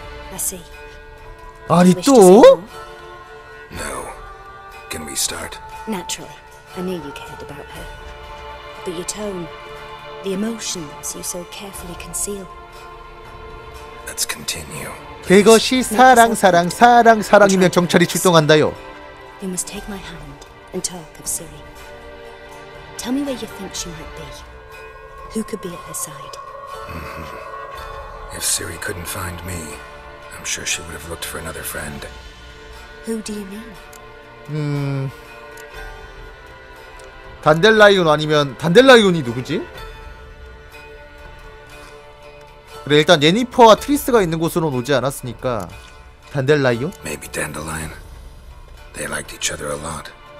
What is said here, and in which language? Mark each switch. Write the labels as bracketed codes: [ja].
[en] I see. [ko] 아니 또? [en] No. Can we start? Naturally, I knew you cared about her, but your tone, the emotions you so carefully conceal. Let's continue. [ko] 그것이 사랑, 사랑, 사랑, 사랑이면 경찰이 출동한다요. [en] You must take my hand and talk of Ciri. Tell me where you think she might be. Who could be at her side? Mm-hmm. If Ciri couldn't find me, I'm sure she would have looked for another friend. Who do you mean? [ko] 단델라이온 아니면 단델라이온이 누구지? 그래 일단 예니퍼와 트리스가 있는 곳으로는 오지 않았으니까 단델라이온? [en] Maybe Dandelion. They liked each other a lot.